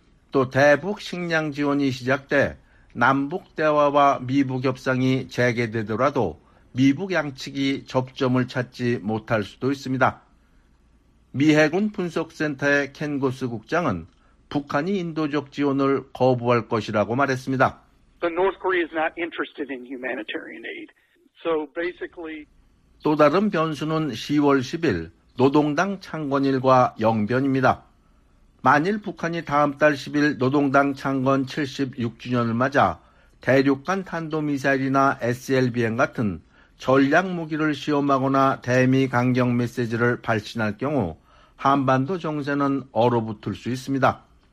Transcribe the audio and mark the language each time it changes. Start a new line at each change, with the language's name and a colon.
Korean: 또 대북 식량 지원이 시작돼 남북 대화와 미북 협상이 재개되더라도 미북 양측이 접점을 찾지 못할 수도 있습니다. 미 해군 분석센터의 켄 고스 국장은 북한이 인도적 지원을 거부할 것이라고 말했습니다.
English: The North Korea is not interested in humanitarian aid. So basically
Korean: 또 다른 변수는 10월 10일 노동당 창건일과 영변입니다. 만일 북한이 다음 달 10일 노동당 창건 76주년을 맞아 대륙간 탄도미사일이나 SLBM 같은 전략 무기를 시험하거나 대미 강경 메시지를 발신할 경우 한반도 정세는 얼어붙을 수 있습니다.